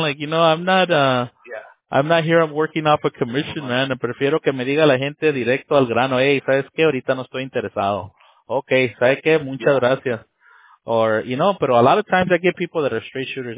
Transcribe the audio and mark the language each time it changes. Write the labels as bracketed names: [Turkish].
[English] Like, you know, I'm not here, I'm working off a commission, man. [Spanish] Prefiero que me diga la gente directo al grano, hey, ¿sabes qué? Ahorita no estoy interesado. Okay, ¿sabes qué? Muchas gracias. [English] Or, you know, pero a lot of times I get people that are straight shooters.